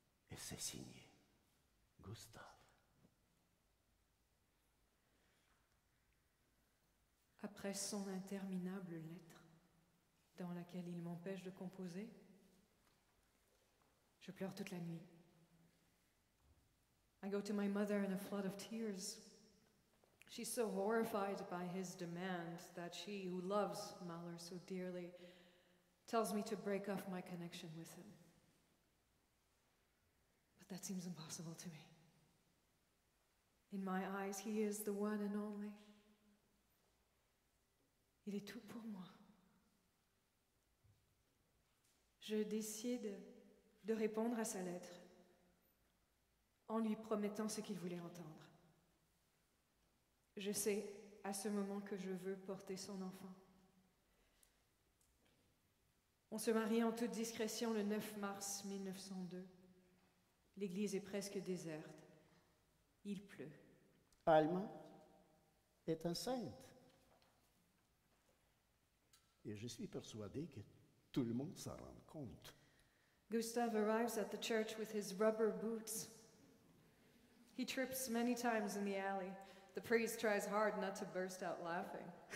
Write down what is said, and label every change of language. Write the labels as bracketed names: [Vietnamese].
[French] Et c'est signé, Gustave. Après son interminable lettre, dans laquelle il m'empêche de composer, je pleure toute la nuit. [English] I go to my mother in a flood of tears. She's so horrified by his demand that she, who loves Mahler so dearly, tells me to break off my connection with him. But that seems impossible to me. In my eyes, he is the one and only. [French] Il est tout pour moi. Je décide de répondre à sa lettre en lui promettant ce qu'il voulait entendre. Je sais à ce moment que je veux porter son enfant. On se marie en toute discrétion le 9 mars 1902. L'église est presque déserte. Il pleut. Alma est enceinte. Et je suis persuadé que tout le monde s'en rend compte. [English] Gustave arrives at the church with his rubber boots. He trips many times in the alley. The priest tries hard not to burst out laughing.